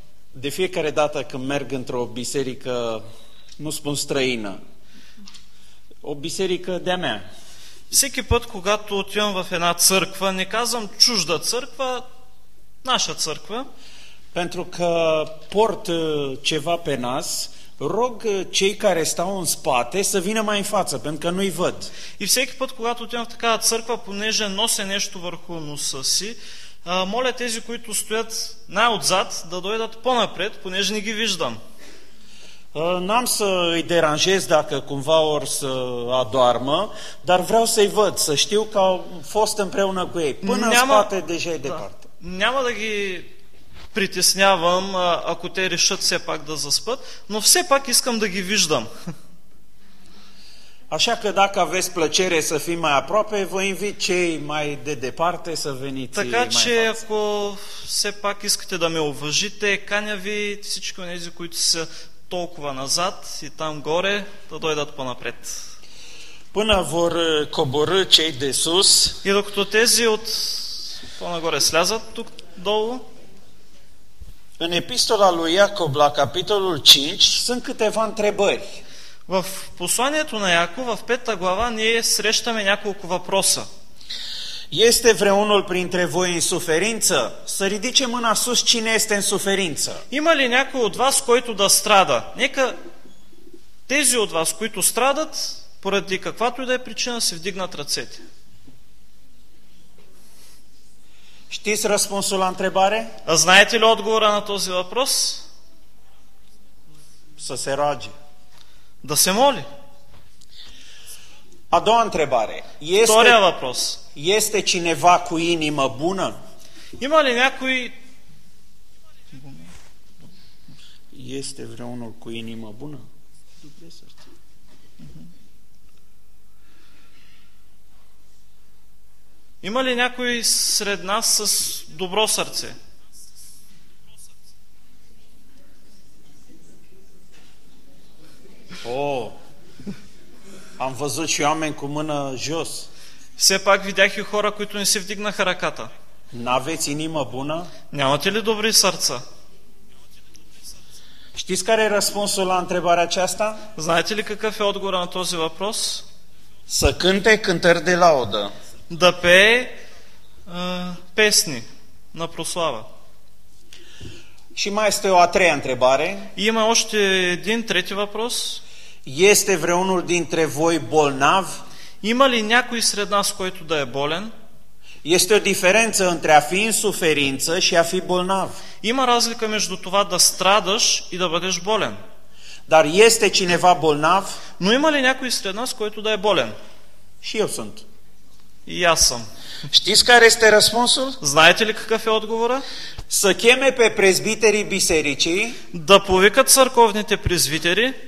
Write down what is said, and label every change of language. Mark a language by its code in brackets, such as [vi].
[ro] De fiecare dată când merg într-o biserică, nu spun străină, o biserică de-a mea. [bg] Всеки път, когато отивам в една църква, не казвам чужда църква, наша църква. [ro] Pentru că port ceva pe nas, rog cei care stau în spate să vină mai în față, pentru că nu-i văd. [bg] И всеки път, когато отивам в такава църква, понеже нося нещо върху носа си, моля тези, които стоят най-отзад, да дойдат по-напред, понеже не ги виждам. [ro] N-am să îi deranjez dacă cumva ori să adoarmă, dar vreau să-i văd, să știu că au fost împreună cu ei. Până [bg] няма... [ro] în spate deja e departe. Da. [bg] Няма да ги притеснявам, ако те решат все пак да заспат, но все пак искам да ги виждам. [ro] Așa că dacă aveți plăcere să fii mai aproape, vă invit cei mai de departe să veniți mai [bg] Така че, ако все пак искате да ме уважите, каня ви всички онези, които са толкова назад и там горе, да дойдат по-напред. [ro] Până vor coborâ cei de sus. [bg] И докато тези от по-нагоре слязат тук долу. [ro] În epistola lui Iacob la capitolul 5 sunt câteva întrebări. [bg] В посланието на Яков, в пета глава, ние срещаме няколко въпроса. [ro] Este vreunul printre voi în suferință? Să ridice mâna sus cine este în suferință. [bg] Има ли някой от вас, който да страда? Нека тези от вас, които страдат, поради каквато и да е причина, се вдигнат ръцете. [ro] Știți răspunsul la întrebare? [bg] Знаете ли отговора на този въпрос? [ro] Să se roage. [bg] Да се моли. [ro] A doua întrebare. [bg] Втория въпрос. [ro] Este cineva cu inimă bună? [bg] Има ли някой... [ro] Este vreunul cu inimă bună? [bg] Добре сърце. Има ли някой сред нас с добро сърце? [ro] О, am văzut și oameni cu mână jos. [bg] Все пак видях и хора, които не си вдигнаха ръката. [ro] N-aveți inimă bună? [bg] Нямате ли добри сърца? [ro] Știți care e răspunsul la întrebarea aceasta? [bg] Знаете ли какъв е отговорът на този въпрос? [ro] Să cânte cântări de laudă. [bg] Да пее песни на прослава. [ro] Și mai este o a treia întrebare. [bg] Има още един трети въпрос. [ro] Este vreunul dintre voi bolnav? [bg] Има ли някой сред нас, който да е болен? [ro] Este o diferență între a fi în suferință și a fi bolnav. [bg] Има разлика между това да страдаш и да бъдеш болен. [ro] Dar este cineva bolnav? [bg] Но има ли някой сред нас, който да е болен? [ro] Și eu sunt. [bg] И аз съм. [ro] Știți care este răspunsul? [bg] Знаете ли какъв е отговора? [ro] Să cheme pe presbiterii bisericii. [bg] Да повикат църковните презвитери.